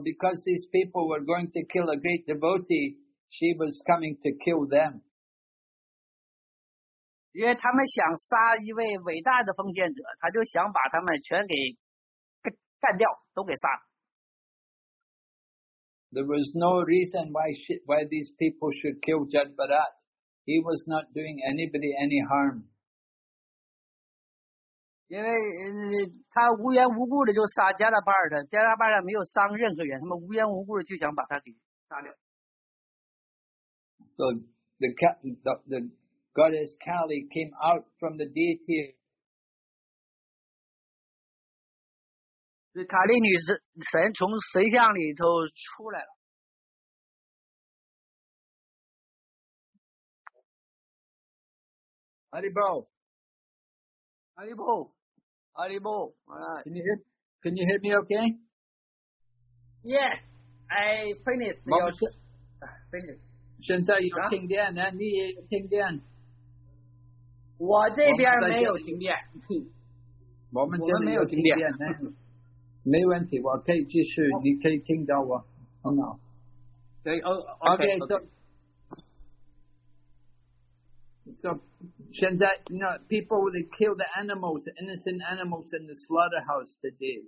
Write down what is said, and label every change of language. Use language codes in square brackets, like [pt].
[en] because these people were going to kill a great devotee, she was coming to kill them. [zh] 因为他们想杀一位伟大的奉献者，他就想把他们全给干掉，都给杀了。 [en] There was no reason why these people should kill Jambarat. He was not doing anybody any harm. [zh] 因为他无缘无故的就杀加拉巴尔特，加拉巴尔特没有伤任何人，他们无缘无故的就想把他给杀掉。 [en] So the Goddess Kali came out from the deity. [zh] 卡利女神从神像里头出来了。 Haribo. [en] Haribo. Haribo. All right. Can you hear me okay? Yeah. I finished. Finished. [zh] 现在有听见，你也有听见。我这边没有听见，我们这边没有听见，没问题，我可以继续，你可以听到我，很好。 [en] Okay, so [zh] 现在, [en] you know, people, they kill the animals, the innocent animals in the slaughterhouse today.